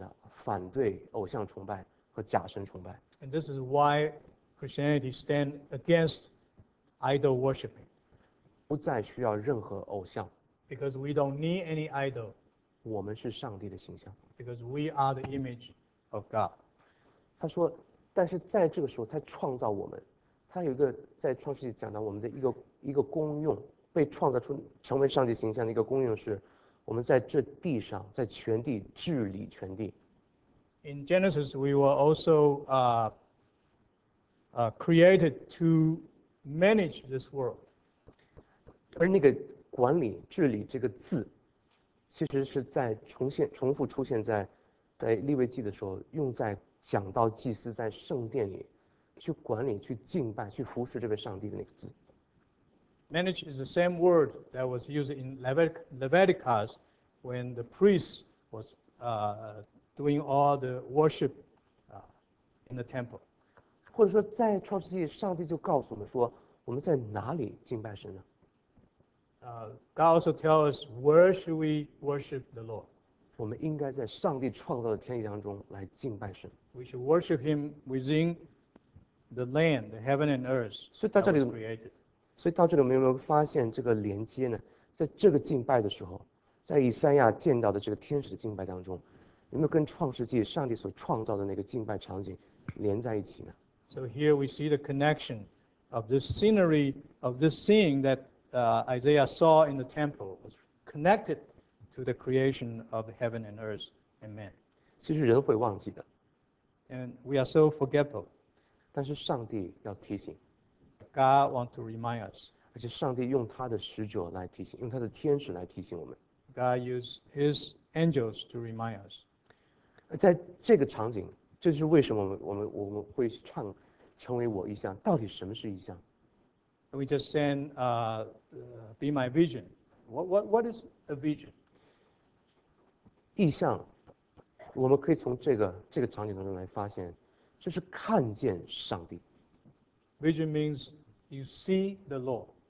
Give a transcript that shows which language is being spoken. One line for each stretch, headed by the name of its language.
Chinese: 这就是最根本的反对偶像崇拜和假神崇拜。
English: And this is why Christianity stands against idol worshiping.
Chinese: 不再需要任何偶像。
English: Because we don't need any idol.
Chinese: 我们是上帝的形象。
English: Because we are the image of God.
Chinese: 他说， 但是在这个时候， 他创造我们， 他有一个在创世纪讲到我们的一个功用， 被创造出， 成为上帝形象的一个功用是， 我们在这地上， 在全地， 治理全地。
English: In Genesis, we were also created to manage this world.
Chinese: 而那个管理， 治理这个字， 其实是在重现， 重复出现在， 在利未记的时候， 用在 讲到祭司在圣殿里去管理、去敬拜、去服侍这位上帝的那个字。
English: Manage is the same word that was used in Leviticus when the priest was doing all the worship in the temple.
Chinese: 或者说在创世纪上帝就告诉我们说我们在哪里敬拜神呢？
English: God also tells us where should we worship the Lord.
Chinese: 我们应该在上帝创造的天地当中来敬拜神。
English: We should worship Him within the land, the heaven and earth that was created.
Chinese: 所以到这里我们有没有发现这个连接呢？在这个敬拜的时候， 在以赛亚见到的这个天使的敬拜当中， 有没有跟创世纪上帝所创造的那个敬拜场景连在一起呢？
English: So here we see the connection of this scenery, of this scene that Isaiah saw in the temple was connected to the creation of heaven and earth and man.
Chinese: 其实人会忘记的。
English: And we are so forgetful.
Chinese: 但是上帝要提醒。
English: God wants to remind us.
Chinese: 而且上帝用他的使者来提醒, 用他的天使来提醒我们。
English: God used His angels to remind us.
Chinese: 在这个场景, 就是为什么我们会唱, 成为我意象, 到底什么是意象?
English: We just sang, Be My Vision. What is a vision?
Chinese: 意象, 我们可以从这个场景当中来发现，就是看见上帝。
English: Vision means you see the Lord.